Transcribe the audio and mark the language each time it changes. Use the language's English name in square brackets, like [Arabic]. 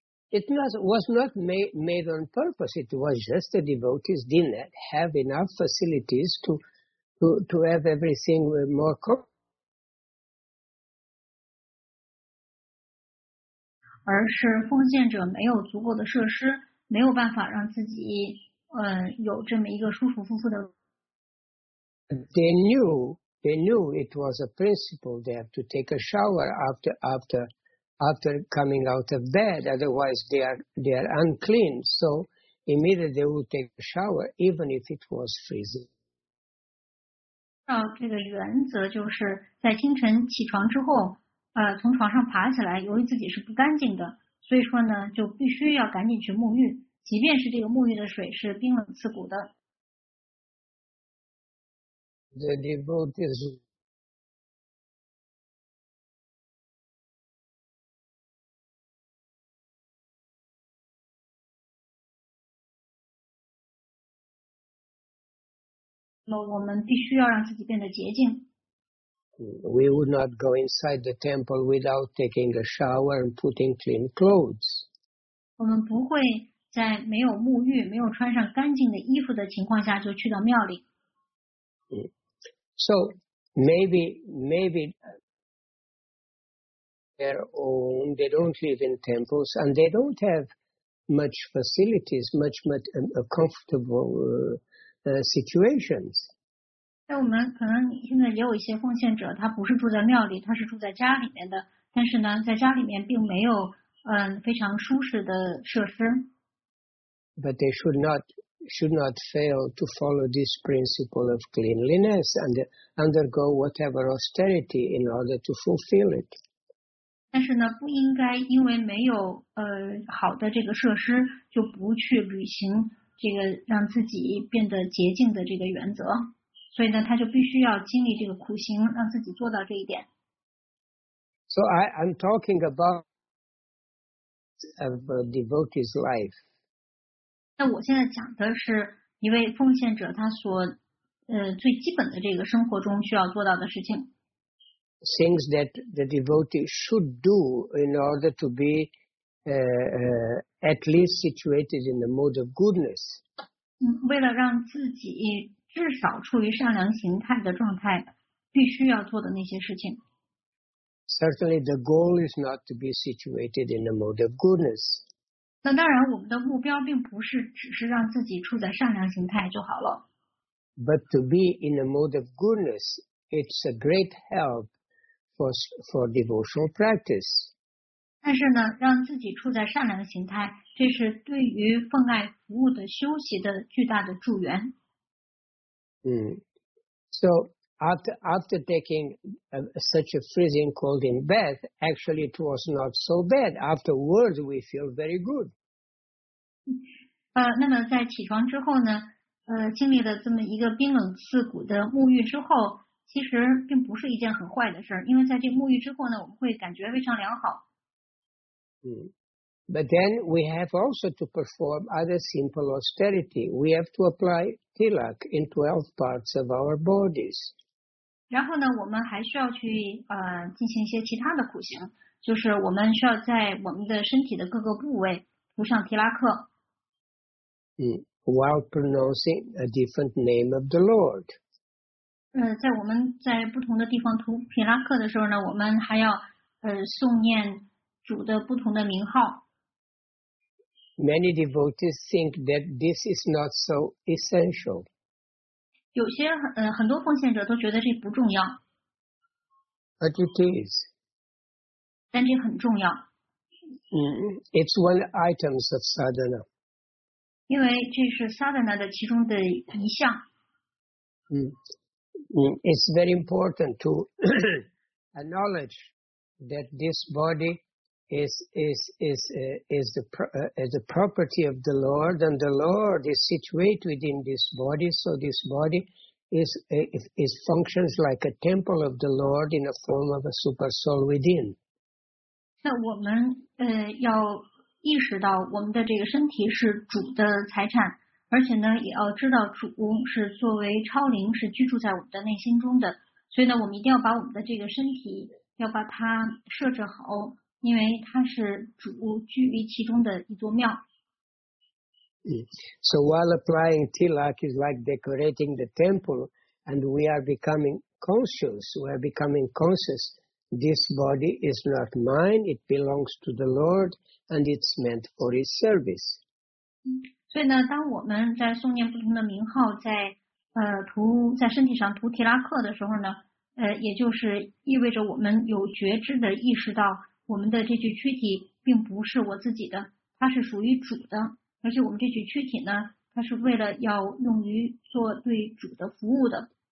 [English] It was not made on purpose. It was just the devotees didn't have enough facilities to have everything more comfortable. [Chinese] 而是奉献者没有足够的设施，没有办法让自己有这么一个舒舒服服的。 [English] They knew it was a principle. They have to take a shower after coming out of bed, otherwise they are unclean. So immediately they would take a shower, even if it was freezing. [Chinese] 这个原则就是在清晨起床之后，从床上爬起来，由于自己是不干净的，所以说呢，就必须要赶紧去沐浴，即便是这个沐浴的水是冰冷刺骨的。 [English] The devotees [Chinese] 那我们必须要让自己变得洁净。 [English] We would not go inside the temple without taking a shower and putting clean clothes. [Chinese] 我们不会在没有沐浴、没有穿上干净的衣服的情况下就去到庙里。 [English] So maybe their own, they don't live in temples and they don't have much facilities, much comfortable situations. [Chinese] 那我们可能现在也有一些奉献者，他不是住在庙里，他是住在家里面的，但是呢，在家里面并没有非常舒适的设施。 [English] But they should not fail to follow this principle of cleanliness and undergo whatever austerity in order to fulfill it. [Chinese] 但是呢，不应该因为没有好的这个设施，就不去履行这个让自己变得洁净的这个原则。所以呢，他就必须要经历这个苦行，让自己做到这一点。 [English] So I'm talking about a devotee's life. [Chinese] 那我现在讲的是一位奉献者他所最基本的这个生活中需要做到的事情。 [English] Things that the devotee should do in order to be at least situated in the mode of goodness. [Chinese] 为了让自己至少处于善良形态的状态，必须要做的那些事情。 [English] Certainly, the goal is not to be situated in the mode of goodness. [Chinese] 那当然，我们的目标并不是只是让自己处在善良形态就好了。 [English] But to be in the mode of goodness, it's a great help for devotional practice. [Chinese] 但是呢，让自己处在善良形态，这是对于奉爱服务的修习的巨大的助缘。 [English] So after taking such a freezing cold in bath, actually it was not so bad. Afterwards, we feel very good. [Chinese] 那么在起床之后呢？经历了这么一个冰冷刺骨的沐浴之后，其实并不是一件很坏的事儿，因为在这沐浴之后呢，我们会感觉非常良好。 [English] But then we have also to perform other simple austerity. We have to apply tilak in 12 parts of our bodies. [Chinese] 然后呢，我们还需要去进行一些其他的苦行，就是我们需要在我们的身体的各个部位涂上提拉克。 [English] While pronouncing a different name of the Lord. [Chinese] 在我们在不同的地方涂提拉克的时候呢，我们还要诵念主的不同的名号。 [English] Many devotees think that this is not so essential. [Chinese] 有些很多奉献者都觉得这不重要。 [English] But it is. [Chinese] 但这很重要。 [English] It's one item of sadhana. [Chinese] 因为这是 sadhana 的其中的一项。 [English] It's very important to acknowledge that this body is the property of the Lord, and the Lord is situated within this body, so this body is functions like a temple of the Lord in a form of a super soul within. [Chinese] 那我们要意识到我们的这个身体是主的财产，而且呢，也要知道主是作为超灵，是居住在我们的内心中的。所以呢，我们一定要把我们的这个身体，要把它设置好，因为它是主居于其中的一座庙。 [English] So while applying tilak is like decorating the temple, and we are becoming conscious, we are becoming conscious. This body is not mine; it belongs to the Lord, and it's meant for His service. [Chinese] 所以呢，当我们在诵念不同的名号，在涂在身体上涂提拉克的时候呢，也就是意味着我们有觉知的意识到，我们的这具躯体并不是我自己的，它是属于主的。而且我们这具躯体呢，它是为了要用于做对主的服务的。